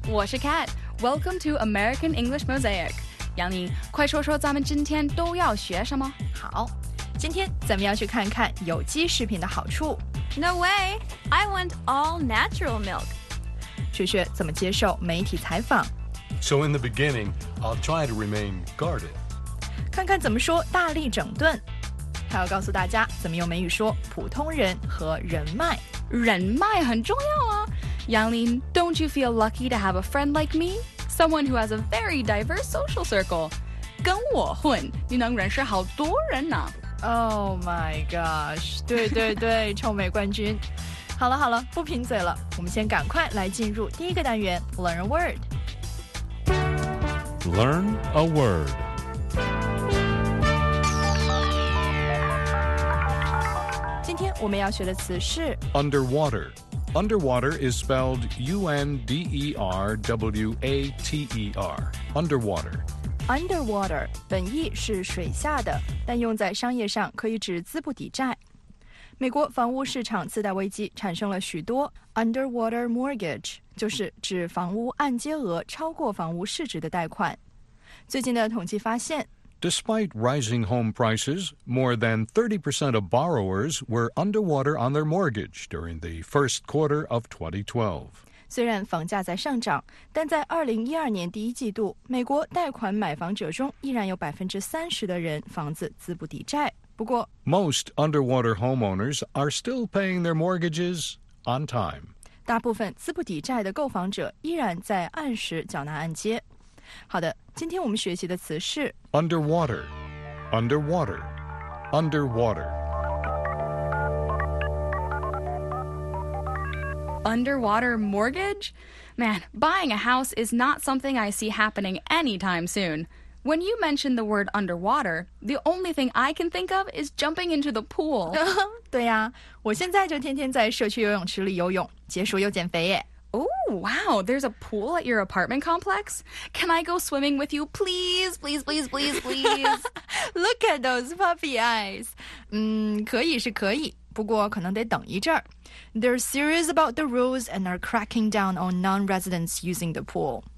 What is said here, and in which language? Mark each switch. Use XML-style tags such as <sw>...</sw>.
<zh>我是</zh> <en>Kat。Welcome to American English Mosaic。</en> <zh>杨林，快说说咱们今天都要学什么？好，今天咱们要去看看有机食品的好处。</zh> <en>No way! I want all natural milk.</en> <zh>雪雪怎么接受媒体采访？</zh> <en>So in the beginning, I'll try to remain guarded.</en> <zh>看看怎么说大力整顿。他要告诉大家怎么用美语说普通人和人脉。人脉很重要啊。</zh> <en>Yangling, don't you feel lucky to have a friend like me? Someone who has a very diverse social circle.</en> <zh>跟我混，你能认识好多人呢。</zh> <en>Oh my gosh,</en> <zh>对对对，臭美冠军。好了好了，不贫嘴了，我们先赶快来进入第一个单元 Learn a Word。</zh> <en>Learn a Word。</en> <zh>我们要学的词是</zh> <en>underwater. Underwater is spelled U-N-D-E-R-W-A-T-E-R. Underwater.</en> <zh>Underwater 本意是水下的，但用在商业上可以指资不抵债。美国房屋市场次贷危机产生了许多 underwater mortgage， 就是指房屋按揭额超过房屋市值的贷款。最近的统计发现。</zh> <en>Despite rising home prices, more than 30% of borrowers were underwater on their mortgage during the first quarter of 2012.</en> <zh>虽然房价在上涨，但在2012年第一季度，美国贷款买房者中依然有 30% 的人房子资不抵债。不过</zh> <en>Most underwater homeowners are still paying their mortgages on time.</en> <zh>大部分资不抵债的购房者依然在按时缴纳按揭。好的，今天我们学习的词是</zh> <en>underwater, underwater, underwater. Underwater mortgage? Man, buying a house is not something I see happening anytime soon. When you mention the word underwater, the only thing I can think of is jumping into the pool.</en> <zh>对呀，我现在就天天在社区游泳池里游泳，解暑又减肥耶。</zh> <en>Oh, wow, there's a pool at your apartment complex? Can I go swimming with you, please, please, please, please, please? Look at those puppy eyes.</en> <zh>可以是可以，不过可能得等一阵儿。</zh> <en>They're serious about the rules and are cracking down on non-residents using the pool.</en>